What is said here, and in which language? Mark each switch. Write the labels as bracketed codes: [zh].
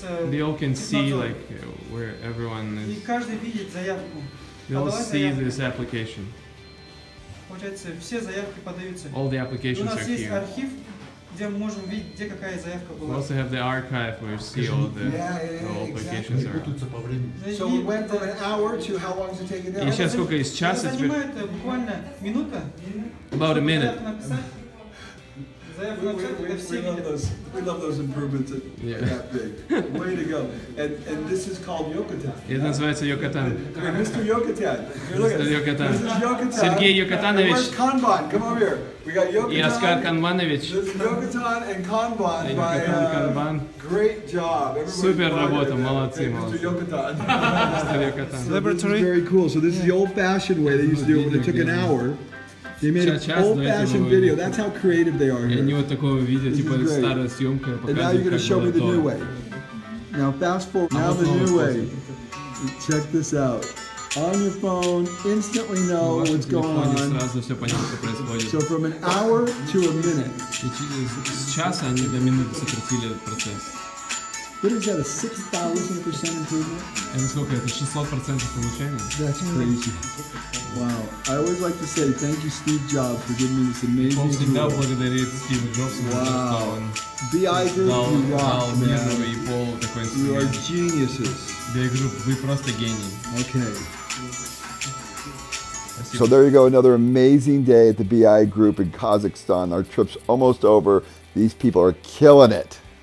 [en] They all can see like where everyone is. [ru] И каждый видит заявку. [en] They all see this application. [ru] Получается, все заявки подаются. [en] All the applications are here. [ru] У нас есть архив, где мы можем видеть, где какая заявка была. [en] We also have the archive where you see all the applications are. So we went from an hour to how long does it take it? [ru] И сейчас сколько из часа? Это занимает буквально минута. [en] About a minute. We love those improvements at that big. Way to go. And this is called Yucatan. It [ru] называется Yucatan. [en] Mr. Yucatan. Mr. Yucatan. This is Yucatan. [ru] Сергей Yucatanovich. [en] Where's Kanban? Come over here. We got Yucatan. Yaskar Kanbanovich. This is Yucatan and Kanban. Yucatan, Kanban. Great job. Super [ru] работа, молодцы. [en] Mr. Yucatan. Mr. Yucatan. Celebratory. Very cool. So this is the old-fashioned way they used to do it. It took an hour. They made an old-fashioned video. That's how creative they are here. This is great. And now you're going to show me the new way. Now fast forward. Now the new way. Check this out. on your phone, instantly know what's going on. So from an hour to a minute. [ru] Сейчас они до минуты сократили этот процесс. [en] What is that, a 6,000% improvement? [ru] И сколько это, 600% улучшения? [en] That's crazy. Wow. I always like to say thank you, Steve Jobs, for giving me this amazing tool. [ru] Всегда благодарит Стива Джобса. [en] Wow. The idea of you rock, man. [ru] Пол, [en] you are geniuses. [ru] Да, я говорю, вы просто гений. [en] Okay. So there you go, another amazing day at the BI Group in Kazakhstan. Our trip's almost over. These people are killing it.